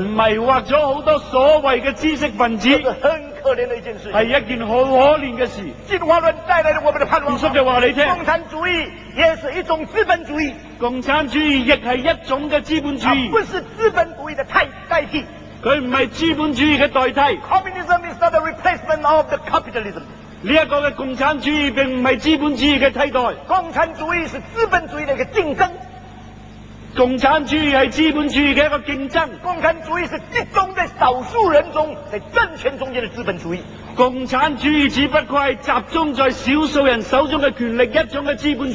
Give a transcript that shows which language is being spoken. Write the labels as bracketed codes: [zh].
[zh] 迷惑了很多所谓的知识分子，这是很可怜的一件事，是一件很可怜的事。进化论带来了我们的盼望，说的话你听，共产主义也是一种资本主义，共产主义也是一种的资本主义，它不是资本主义的代替，它不是资本主义的代替。 [en] Communism is not a replacement of the capitalism， [zh] 这个的共产主义并不是资本主义的替代，共产主义是资本主义的一个竞争，共产主义是资本主义的一个竞争，共产主义是集中在少数人中在政权中间的资本主义，共产主义只不过是集中在少数人手中的权力一种的资本主义。